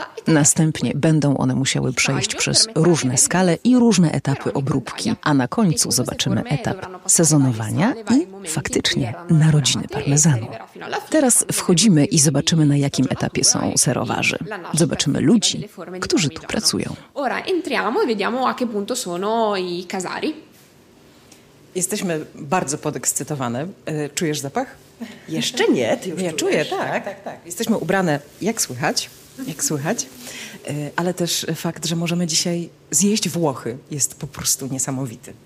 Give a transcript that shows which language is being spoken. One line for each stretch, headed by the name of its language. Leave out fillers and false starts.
Polish: Następnie będą one musiały przejść przez różne skale i różne etapy obróbki, a na końcu zobaczymy etap sezonowania i faktycznie narodziny parmezanu. Teraz wchodzimy i zobaczymy, na jakim etapie są serowarzy. Zobaczymy ludzi, którzy tu pracują.
Italian: Ora entriamo e vediamo a che punto sono i casari.
Polish: Jesteśmy bardzo podekscytowane. Czujesz zapach? Jeszcze nie, ty już nie czuję, tak. Jesteśmy ubrane, jak słychać, ale też fakt, że możemy dzisiaj zjeść Włochy, jest po prostu niesamowity.